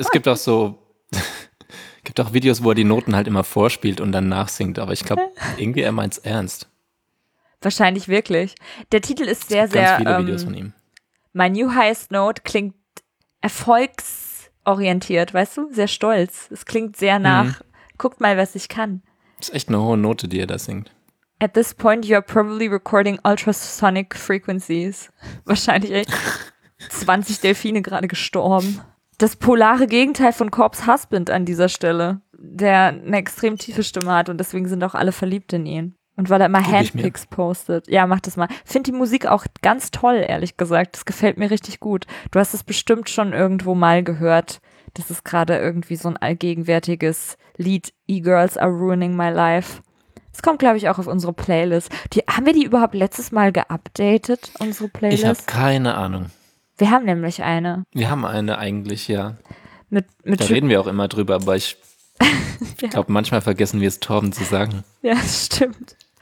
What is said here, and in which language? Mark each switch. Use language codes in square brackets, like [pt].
[de] Es gibt auch Videos, wo er die Noten halt immer vorspielt und dann nachsingt, aber ich glaube, irgendwie er meint es ernst. Wahrscheinlich wirklich. Der Titel ist sehr, sehr... Es gibt ganz viele Videos von ihm. My New Highest Note klingt erfolgsorientiert, weißt du? Sehr stolz. Es klingt sehr nach, guckt mal, was ich kann. Das ist echt eine hohe Note, die er da singt. [en] At this point you are probably recording ultrasonic frequencies. [de] Wahrscheinlich echt 20 Delfine gerade gestorben. Das polare Gegenteil von Corpse Husband an dieser Stelle, der eine extrem tiefe Stimme hat und deswegen sind auch alle verliebt in ihn. Und weil er immer Handpicks postet. Ja, mach das mal. Find die Musik auch ganz toll, ehrlich gesagt. Das gefällt mir richtig gut. Du hast es bestimmt schon irgendwo mal gehört. Das ist gerade irgendwie so ein allgegenwärtiges Lied. [en] E-Girls are ruining my life. [de] Es kommt, glaube ich, auch auf unsere Playlist. Haben wir die überhaupt letztes Mal geupdatet, unsere Playlist? Ich habe keine Ahnung. Wir haben nämlich eine. Wir haben eine eigentlich, ja. Reden wir auch immer drüber, aber ich glaube, manchmal vergessen wir es Torben zu sagen. Ja, stimmt.